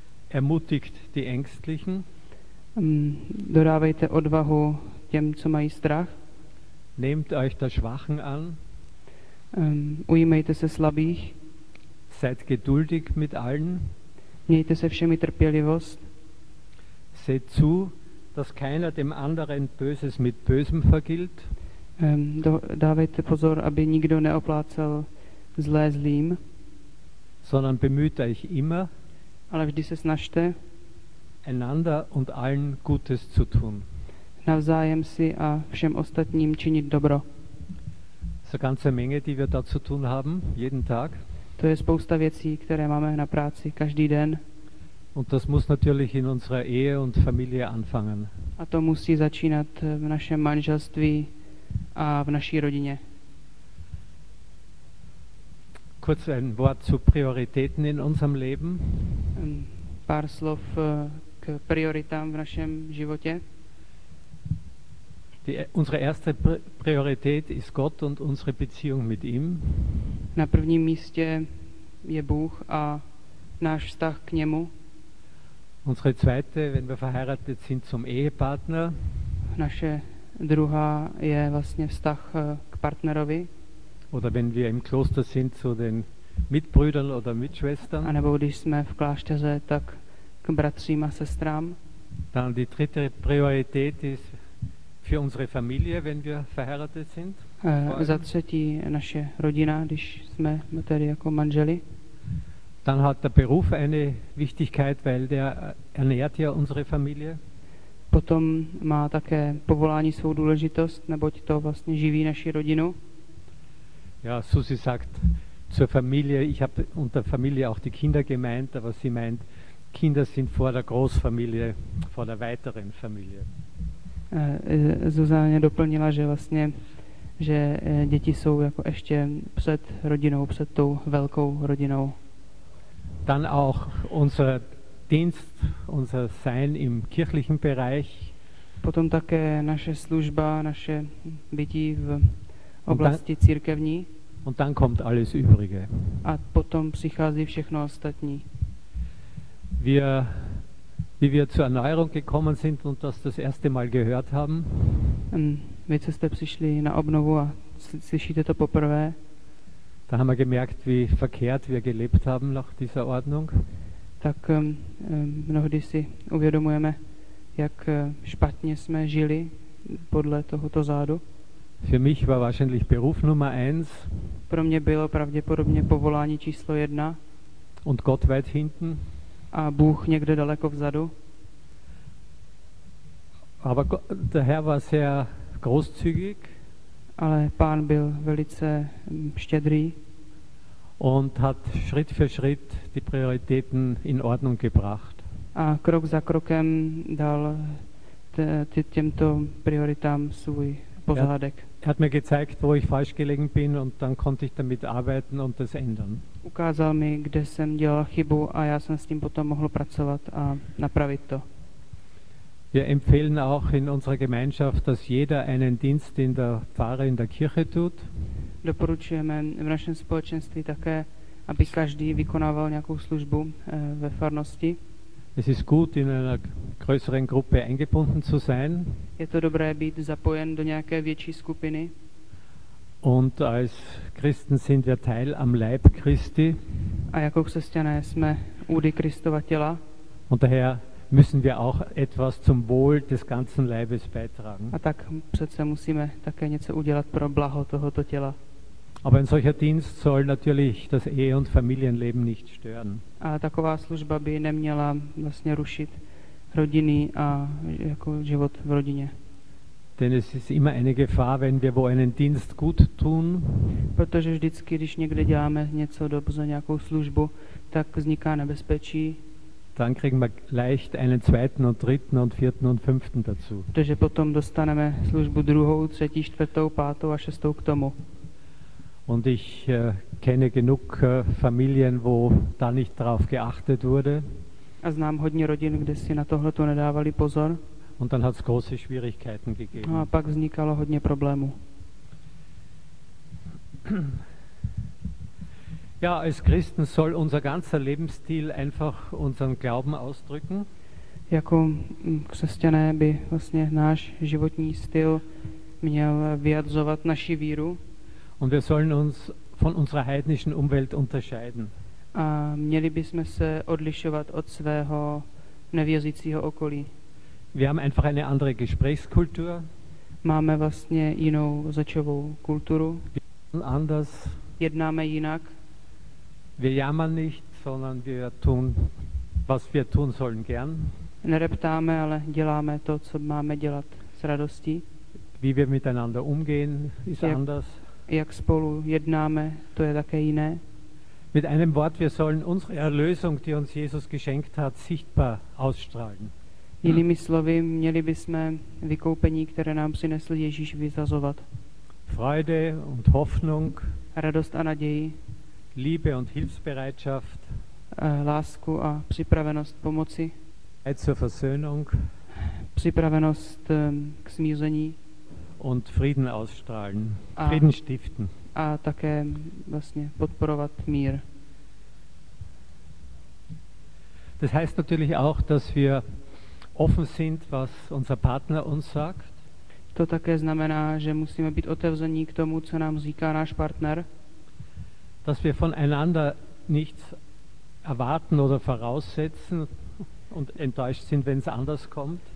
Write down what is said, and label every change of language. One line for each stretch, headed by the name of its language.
German: Ermutigt die Ängstlichen.
Czech: Dodávejte odvahu těm, co mají strach.
German: Nehmt euch der Schwachen an.
Czech: Ujímejte se slabých.
German: Seid geduldig mit allen.
Czech: Mějte se všemi trpělivost.
German: Seht zu, dass keiner dem anderen Böses mit Bösem vergilt.
Czech: Dávejte pozor, aby nikdo neoplácel zlé zlým.
German: Sondern bemüht euch immer.
Czech: Ale vždy se snažte.
German: Einander und allen Gutes zu tun.
Czech: Navzájem si a všem ostatním činit dobro.
German: So ganze Menge, die wir da zu tun haben, jeden Tag.
Czech: To je spousta věcí, které máme na práci každý den.
German: Und das muss natürlich in unserer Ehe und Familie anfangen.
Czech: A to musí začínat v našem manželství a v naší rodině.
German: Kurz ein Wort zu Prioritäten in unserem Leben.
Czech: Pár slov k prioritám v našem životě.
German: Unsere erste Priorität ist Gott und unsere Beziehung mit ihm.
Czech: Na prvním místě je Bůh a náš vztah k němu.
German: Unsere zweite, wenn wir verheiratet sind, zum Ehepartner.
Czech: Naše druhá je vlastně vztah k partnerovi.
German: Oder wenn wir im Kloster sind, zu den Mitbrüdern oder Mitschwestern.
Czech: A nebo když jsme v klášteře, tak k bratřím a sestrám.
German: Dann die dritte Priorität ist für unsere Familie, wenn wir verheiratet sind.
Czech: Za třetí naše rodina, když jsme tedy jako manželi.
German: Dann hat der Beruf eine Wichtigkeit, weil der ernährt ja unsere Familie.
Czech: Po potom má také povolání svou důležitost, neboť to vlastně živí naši rodinu.
German: Ja, Susi sagt zur Familie, ich habe unter Familie auch die Kinder gemeint, aber sie meint, Kinder sind vor der Großfamilie, vor der weiteren Familie.
Czech: Zuzana doplnila, že vlastně, že děti jsou jako ještě před rodinou, před tou velkou rodinou.
German: Dann auch unser Dienst, unser Sein im kirchlichen Bereich.
Czech: Potom také naše služba, naše bytí v oblasti církevní.
German: Und dann kommt alles Übrige.
Czech: A potom přichází všechno ostatní.
German: Wie wir zur Erneuerung gekommen sind und das erste Mal gehört haben.
Czech: Wie co jste přišli na obnovu a slyšíte to poprvé.
German: Da haben wir gemerkt, wie verkehrt wir gelebt haben nach dieser Ordnung.
Czech: Tak mnohdy si uvědomujeme, jak špatně jsme žili podle tohoto zádu.
German: Für mich war wahrscheinlich Beruf Nummer 1.
Czech: Pro mě bylo pravděpodobně povolání číslo 1.
German: Und Gott weit hinten.
Czech: A Bůh někde daleko vzadu.
German: Aber der Herr war sehr großzügig.
Czech: Ale Pán byl velice štědrý.
German: Und hat Schritt für Schritt die Prioritäten in Ordnung gebracht.
Czech: A krok za krokem dal těmto prioritám svůj pořádek.
German: Er hat mir gezeigt, wo ich falsch gelegen bin und dann konnte ich damit arbeiten und das ändern.
Czech: Ukázal mi, kde jsem dělal chybu a já jsem s tím potom mohl pracovat a napravit to.
German: Wir empfehlen auch in unserer Gemeinschaft, dass jeder einen Dienst in der Pfarre, in der Kirche tut.
Czech: Doporučujeme v našem společenství také, aby každý vykonával nějakou službu ve farnosti.
German: Es ist gut, in einer größeren Gruppe eingebunden zu sein.
Czech: Je to dobré být zapojen do nějaké větší skupiny.
German: Und als Christen sind wir Teil am Leib Christi.
Czech: A jako křesťané jsme údy Kristova těla.
German: Und daher müssen wir auch etwas zum Wohl des ganzen Leibes beitragen.
Czech: A tak přece musíme také něco udělat pro blaho tohoto těla.
German: Aber ein solcher Dienst soll natürlich das Ehe- und Familienleben nicht stören.
Czech: A taková služba by neměla vlastně rušit rodiny a jako život v rodině.
German: Denn es ist immer eine Gefahr, wenn wir wo einen Dienst gut tun.
Czech: Protože vždycky, když někde děláme něco dobře, nějakou službu, tak vzniká nebezpečí.
German: Dann kriegen wir leicht einen zweiten und dritten und vierten und fünften dazu.
Czech: Takže potom dostaneme službu druhou, třetí, čtvrtou, pátou a šestou k tomu.
German: Und ich kenne genug Familien, wo da nicht drauf geachtet wurde.
Czech: A znám hodně rodin, kde si na tohle to nedávali pozor.
German: Und dann hat's große Schwierigkeiten gegeben.
Czech: A pak vznikalo hodně problémů.
German: Ja, als Christen soll unser ganzer Lebensstil einfach unseren Glauben ausdrücken.
Czech: Jako křesťané by vlastně náš životní styl měl vyjadřovat naši víru.
German: Und wir sollen uns von unserer heidnischen Umwelt unterscheiden.
Czech: A měli bychom se odlišovat od svého nevěřícího okolí.
German: Wir haben einfach eine andere Gesprächskultur.
Czech: Máme vlastně jinou řečovou kulturu.
German: Wir sind anders.
Czech: Jednáme jinak.
German: Wir jammern nicht, sondern wir tun, was wir tun sollen gern.
Czech: Nereptáme, ale děláme to, co máme dělat s radostí.
German: Wie wir miteinander umgehen, ist anders.
Czech: Jak spolu jednáme, to je také jiné.
German: Mit einem Wort, wir sollen unsere Erlösung, die uns Jesus geschenkt hat, sichtbar ausstrahlen.
Czech: Jinými slovy, měli bychom vykoupení, které nám přinesl Ježíš, vyzazovat.
German: Freude und Hoffnung.
Czech: Radost a naději.
German: Liebe und Hilfsbereitschaft.
Czech: Lásku a připravenost pomoci.
German: Zeit zur Versöhnung.
Czech: Připravenost k smíření.
German: Und Frieden ausstrahlen, Frieden stiften.
Czech: A také vlastně podporovat mír.
German: Das heißt natürlich auch, dass wir offen sind, was unser Partner uns sagt.
Czech: To také znamená, že musíme být otevření k tomu, co nám říká náš partner.
German: Dass wir voneinander nichts erwarten oder voraussetzen und enttäuscht sind, wenn es anders kommt.